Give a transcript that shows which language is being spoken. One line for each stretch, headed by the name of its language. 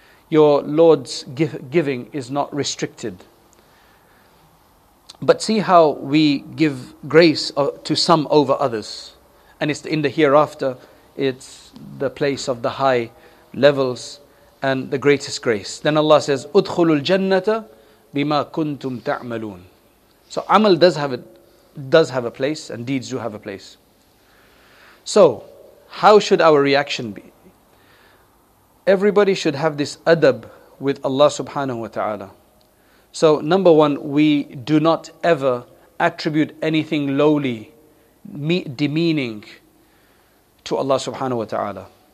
English: Your Lord's giving is not restricted. But see how we give grace to some over others. And it's in the hereafter, it's the place of the high levels and the greatest grace. Then Allah says,
Arabic: أُدْخُلُوا الْجَنَّةَ بِمَا كُنْتُمْ تَعْمَلُونَ.
English: So amal does have a place, and deeds do have a place. So how should our reaction be? Everybody should have this adab with Allah subhanahu wa ta'ala. So number one, we do not ever attribute anything lowly, demeaning to Allah subhanahu wa ta'ala.